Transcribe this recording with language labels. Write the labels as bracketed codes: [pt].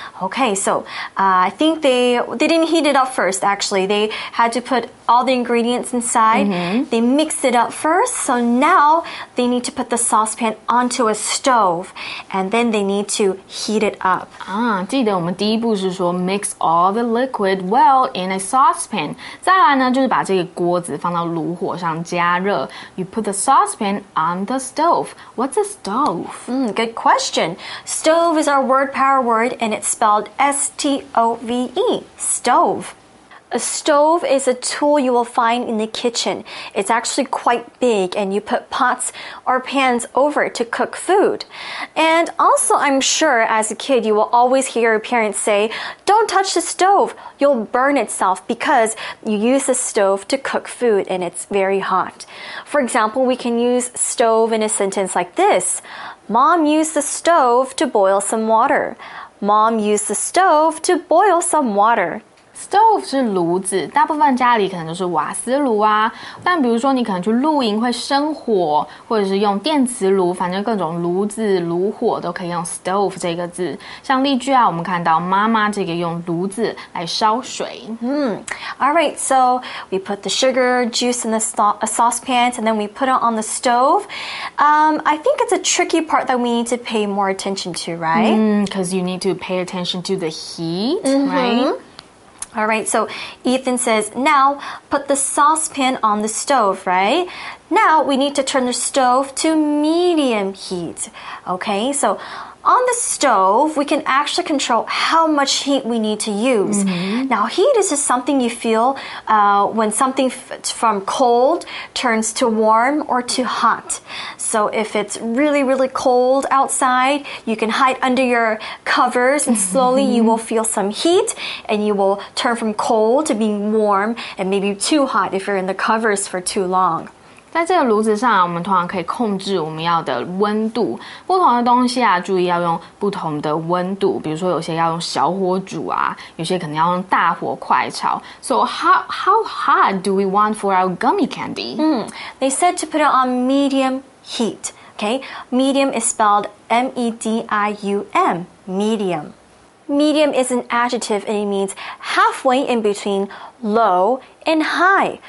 [en] Okay, so、I think they didn't heat it up first, actually. They had to put all the ingredients inside.、Mm-hmm. They mixed it up first. So now they need to put the saucepan onto a stove and then they need to heat it up. [zh] 记得我们第一步是说 [en] mix all the liquid well in a saucepan. [zh] 再来呢就是把这个锅子放到炉火上加热。 [en] You put the saucepan on the stove. What's a stove?、 Good question. Stove is our word power word and it's spelled S-T-O-V-E, stove. A stove is a tool you will find in the kitchen. It's actually quite big and you put pots or pans over it to cook food. And also, I'm sure as a kid, you will always hear your parents say, don't touch the stove, you'll burn itself because you use the stove to cook food and it's very hot. For example, we can use stove in a sentence like this. Mom used the stove to boil some water. Mom used the stove to boil some water. [zh] Stove 是炉子，大部分家里可能就是瓦斯炉啊。但比如说你可能去露营会生火，或者是用电磁炉，反正各种炉子、炉火都可以用 stove 这个字。像例句啊，我们看到妈妈这个用炉子来烧水。 [en] All right, so we put the sugar, juice in the saucepan, and then we put it on the stove. I think it's a tricky part that we need to pay more attention to, right? Because you need to pay attention to the heat, right? Alright, so Ethan says, now put the saucepan on the stove, right? Now we need to turn the stove to medium heat. Okay, so on the stove, we can actually control how much heat we need to use. Mm-hmm. Now heat is just something you feel when something from cold turns to warm or to hot. So if it's really, really cold outside, you can hide under your covers and slowly you will feel some heat and you will turn from cold to being warm and maybe too hot if you're in the covers for too long. [zh] 在这个炉子上、啊、我们通常可以控制我们要的温度。不同的东西啊，注意要用不同的温度。比如说有些要用小火煮啊，有些可能要用大火快炒。 [en] So how hot do we want for our gummy candy? They said to put it on medium heat. Okay, medium is spelled M-E-D-I-U-M, medium. Medium is an adjective and it means halfway in between low and high.